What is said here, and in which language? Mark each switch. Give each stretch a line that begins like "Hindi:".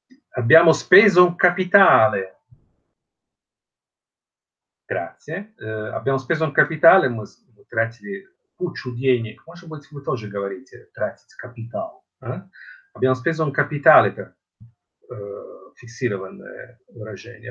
Italian: Abbiamo speso un capitale. Grazie. Abbiamo speso un capitale,
Russian: мы тратили кучу денег. Может быть, вы тоже говорите «тратить капитал».
Italian: Abbiamo speso un capitale,
Russian: фиксированное выражение.